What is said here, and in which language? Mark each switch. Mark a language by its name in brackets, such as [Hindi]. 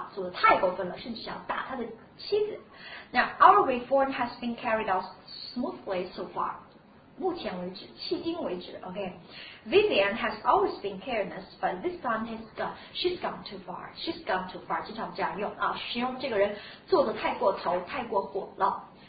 [Chinese] 啊，做得太过分了，甚至想打他的妻子。 [English] Now our reform has been carried out smoothly so far. [Chinese] 目前为止，迄今为止 ，OK. [English] Vivian has always been careless, but this time she's gone too far. She's gone too far. [Chinese] 经常这样用啊，形容这个人做得太过头，太过火了。